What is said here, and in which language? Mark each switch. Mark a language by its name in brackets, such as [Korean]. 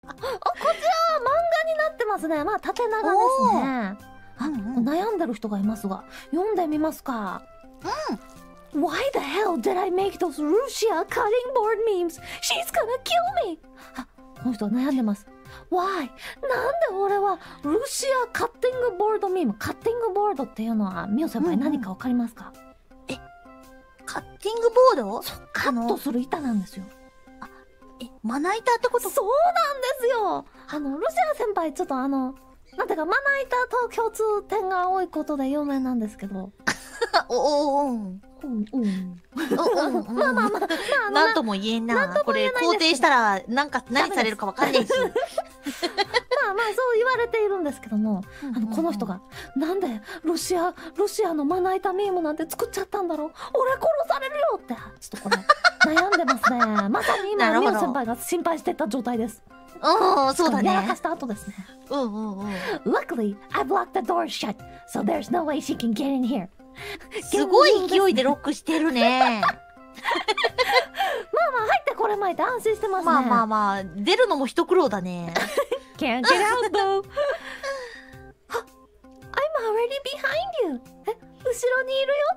[Japanese] あ、こちらは漫画になってますね。まあ縦長ですね。あ、うんうん、悩んでる人がいますが、読んでみますか。うん。 [English] Why the hell did I make those Russia cutting board memes? She's gonna kill me! [Japanese] この人は悩んでます。 [English] Why? [Japanese] なんで俺はロシアカッティングボードミーム、カッティングボードっていうのはミオ先輩何かわかりますか、うんうん、え、カッティングボード？そう、カットする板なんですよ。え、まな板ってこと？そうなんですよ。あのロシア先輩ちょっとあのなんていうかまな板と共通点が多いことで有名なんですけど。おおおん。まあまあまあ、なんとも言えんな。これ肯定したら何か何されるかわかんないし。まあまあそう言われているんですけども、うんうん、あのこの人がなんでロシアのまな板ミームなんて作っちゃったんだろう、俺殺されるよってちょっとこれ悩んでますね。まさに今ミオ先輩が心配してた状態です。うん、そうだね。やらかした後ですね。うんうんうん。 [English] Luckily, I blocked the door shut, so there's no way she can get in here. [Japanese] すごい勢いでロックしてるね。まあまあ入ってこれまいって安心してますね。まあまあまあ出るのも一苦労だね。 [English] Can't get out though. I'm already behind you. [Japanese] え、後ろにいるよ。